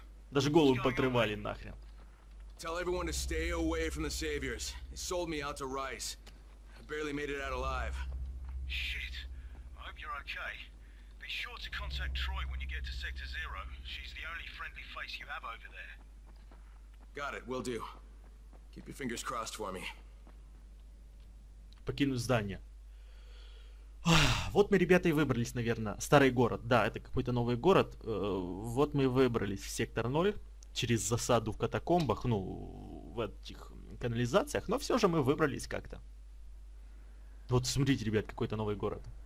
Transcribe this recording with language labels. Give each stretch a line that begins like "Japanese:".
Russian: Даже голову подрывали нахрен.
English: Tell everyone to stay away from the Saviors. They sold me out to Rice. I barely made it out alive. Shit. I hope you're okay. Be sure to contact Troy when you get to Sector Zero. She's the only friendly face you have over there. Got it. Will do. Keep your fingers crossed for me.
Russian: Покинуть здание. Вот мы, ребята, и выбрались, наверное. Старый город. Да, это какой-то новый город. Вот мы и выбрались в Сектор 0. Через засаду в катакомбах, ну, в этих канализациях. Но все же мы выбрались как-то. Вот смотрите, ребят, какой-то новый город.